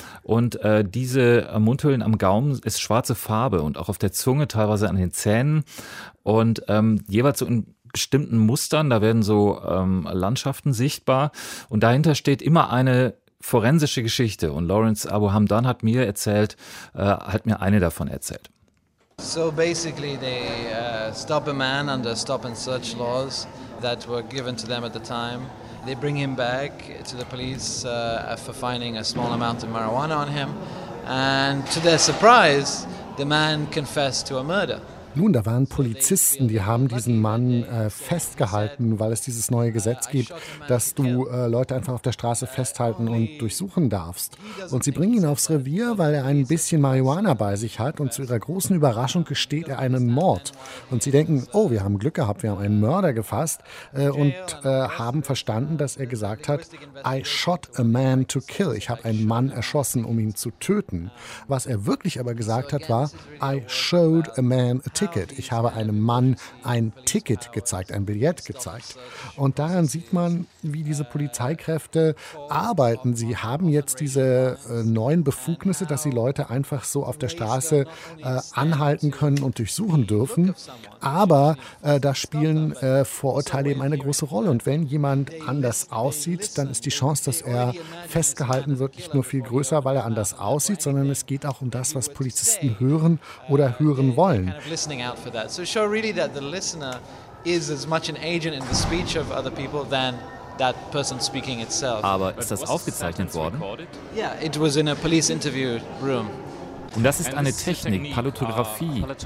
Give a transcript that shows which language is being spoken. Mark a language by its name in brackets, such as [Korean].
[German] Und diese Mundhöhlen am Gaumen ist schwarze Farbe und auch auf der Zunge, teilweise an den Zähnen. Und jeweils so in bestimmten Mustern, da werden so Landschaften sichtbar. Und dahinter steht immer eine forensische Geschichte. Und Lawrence Abu Hamdan hat mir erzählt, hat mir eine davon erzählt. [English] So basically they stop a man under stop and search laws that were given to them at the time. They bring him back to the police for finding a small amount of marijuana on him. And to their surprise, the man confessed to a murder. [German] Nun, da waren Polizisten, die haben diesen Mann festgehalten, weil es dieses neue Gesetz gibt, dass du Leute einfach auf der Straße festhalten und durchsuchen darfst. Und sie bringen ihn aufs Revier, weil er ein bisschen Marihuana bei sich hat, und zu ihrer großen Überraschung gesteht er einen Mord. Und sie denken, oh, wir haben Glück gehabt, wir haben einen Mörder gefasst haben verstanden, dass er gesagt hat, [English] I shot a man to kill. [German] Ich habe einen Mann erschossen, um ihn zu töten. Was er wirklich aber gesagt hat, war, [English] I showed a man a Ticket. [German] Ich habe einem Mann ein Ticket gezeigt, ein Billett gezeigt. Und daran sieht man, wie diese Polizeikräfte arbeiten. Sie haben jetzt diese neuen Befugnisse, dass sie Leute einfach so auf der Straße anhalten können und durchsuchen dürfen. Aber da spielen Vorurteile eben eine große Rolle. Und wenn jemand anders aussieht, dann ist die Chance, dass er festgehalten wird, nicht nur viel größer, weil er anders aussieht, sondern es geht auch um das, was Polizisten hören oder hören wollen. [English] Listening out for that. So show really that the listener is as much an agent in the speech of other people than that person speaking itself. [German] Aber ist das aufgezeichnet worden? [English] Yeah, it was in a police interview room. [German] Und das ist eine Technik, Palotographie.